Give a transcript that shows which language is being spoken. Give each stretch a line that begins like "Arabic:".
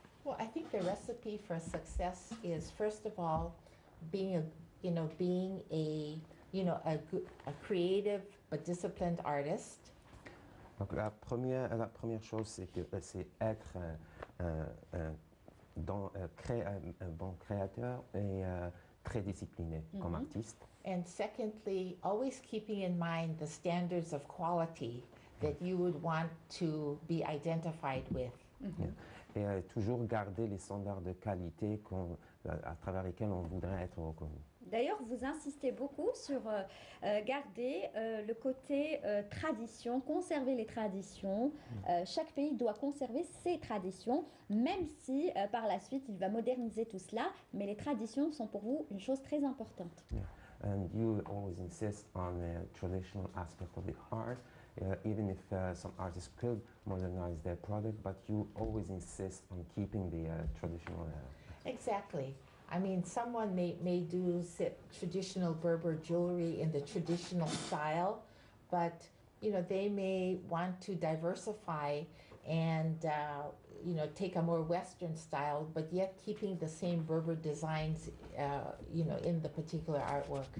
English: Well, I think the recipe for success is, first of all, being a creative but disciplined artist.
French: Donc la première chose c'est être un bon créateur et très discipliné, mm-hmm. comme artiste.
English: And secondly, always keeping in mind the standards of quality that you would want to be identified with. Mm-hmm.
French: Yeah. Et toujours garder les standards de qualité à travers lesquels on voudrait être reconnu. D'ailleurs, vous insistez beaucoup sur garder le côté tradition, conserver les traditions. Chaque pays doit conserver ses traditions, même si par la suite il va moderniser tout cela. Mais les traditions sont pour vous une chose très importante. Yeah.
English: And you always insist on the traditional aspect of the art, even if some artists could modernize their product, but you always insist on keeping the traditional. Exactly. I mean, someone may do traditional Berber jewelry in the traditional style, but you know, they may want to diversify and you know, take a more Western style, but yet keeping the same Berber designs you know, in the particular artwork.